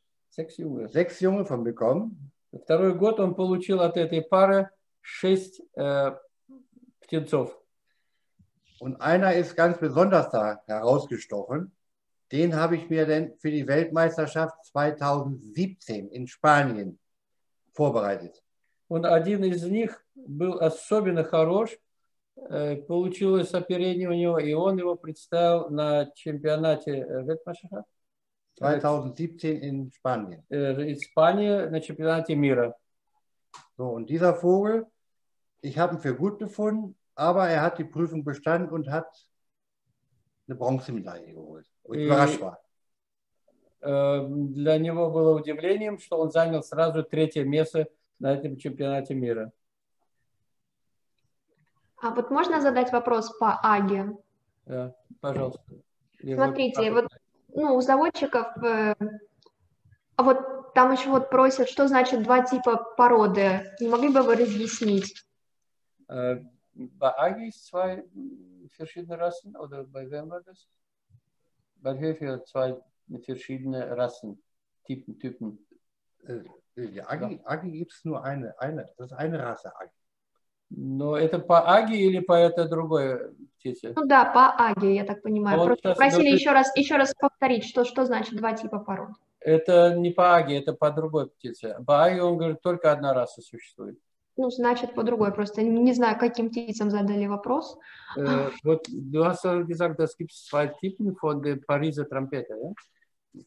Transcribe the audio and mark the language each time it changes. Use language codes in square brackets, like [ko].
[de] 6 Junge. 6 Junge von bekommen. [ru] Второй год он получил от этой пары 6 птенцов. [de] Und einer ist ganz besonders da herausgestochen. Den habe ich mir denn für die Weltmeisterschaft 2017 in Spanien vorbereitet. Und [ru] один из них был особенно хорош, получилось соперение у него, и он его представил на чемпионате Weltmeisterschaft. [de] 2017 in Spanien. In Spanien, [ru] на чемпионате мира. [de] So, und dieser Vogel, ich habe ihn für gut befunden, aber er hat die Prüfung bestanden und hat eine Bronzemedaille geholt. Und überrascht war. [ru] Для него было удивлением, что он занял сразу 3-е место на этом чемпионате мира. А вот можно задать вопрос по Аге? Да, пожалуйста. Смотрите, вот ну, у заводчиков, вот там еще вот просят, что значит 2 типа породы. Не могли бы вы разъяснить? По Аге есть [de] 2 verschiedene Rassen, [ru] или по Вемберс? По Вемберс есть 2 [de] verschiedene Rassen, Typen. Die Agi gibt es nur eine, das ist eine Rasse Agi. [ru] Но это по Аги или по это другое птице? Ну да, по Аги, я так понимаю. Вот просто просили еще раз повторить, что значит 2 типа пород. Это не по Аги, это по другой птице. По Аги, он говорит, только 1 раса существует. Ну, значит, по другой. Просто не знаю, каким птицам задали вопрос. Вот, [de] du hast gesagt, das gibt es 2 Typen von der Pariser Trompete, ja?